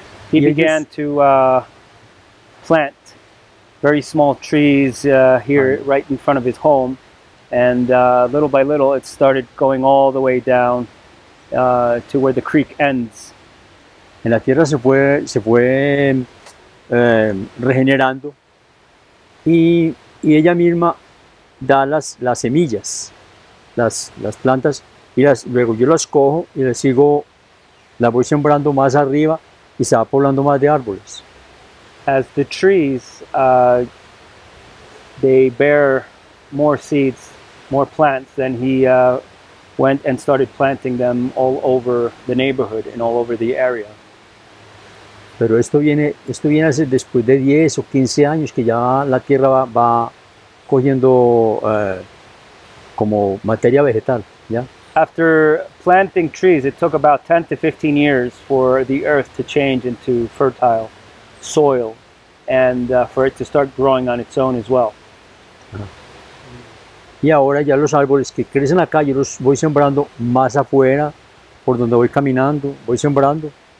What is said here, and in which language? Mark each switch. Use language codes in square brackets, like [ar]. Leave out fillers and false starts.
[en] He began to plant very small trees here right in front of his home, and little by little it started going all the way down to where the creek ends. [es] En la tierra se fue regenerando y ella misma da las semillas, las plantas, y luego yo las cojo y las sigo, las voy sembrando más arriba y se va poblando más de árboles. [en] As the trees, they bear more seeds, more plants, then he went and started planting them all over the neighborhood and all over the area. [es] Pero esto viene a ser después de 10 o 15 años que ya la tierra va cogiendo como materia vegetal, ¿ya? [en] After planting trees, it took about 10 to 15 years for the earth to change into fertile soil and for it to start growing on its own as well. [es] Y ahora ya los árboles que crecen acá, yo los voy sembrando más afuera, por donde voy caminando, voy sembrando.